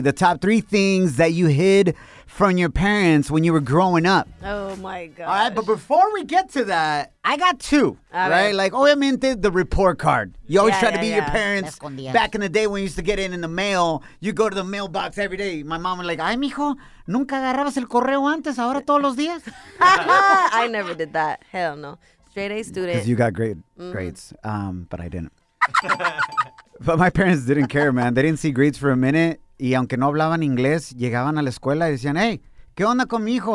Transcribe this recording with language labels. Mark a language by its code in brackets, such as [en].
[en] The top three things that you hid from your parents when you were growing up. Oh, my God. All right, but before we get to that, I got two, right? Like, [es] obviamente, [en] the report card. You always try to be your parents. Back in the day when you used to get in the mail, you go to the mailbox every day. My mom was like, [es] ay, mijo, nunca agarrabas el correo antes, ahora todos los días. [en] I never did that. Hell no. Straight A student. Because you got great grades, but I didn't. But my parents didn't care, man. They didn't see grades for a minute. [es] Y aunque no hablaban inglés, llegaban a la escuela y decían, hey, ¿qué onda con mi hijo?